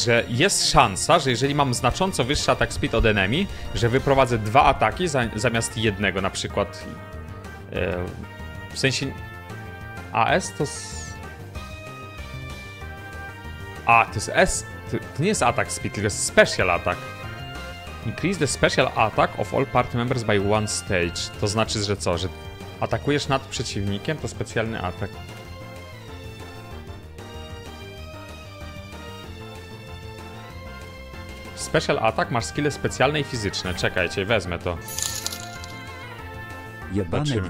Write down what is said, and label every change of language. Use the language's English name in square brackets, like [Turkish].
[Polish] Że jest szansa, że jeżeli mam znacząco wyższy attack speed od enemy, że wyprowadzę dwa ataki zamiast jednego na przykład. W sensie... AS to... A, to jest S. To nie jest attack speed, tylko jest special attack. [English] Increase the special attack of all party members by one stage. [Polish] To znaczy, że co? Że atakujesz nad przeciwnikiem, to specjalny atak. Special attack, masz skille specjalne i fizyczne. Czekajcie, wezmę to. Jebane, zobaczymy.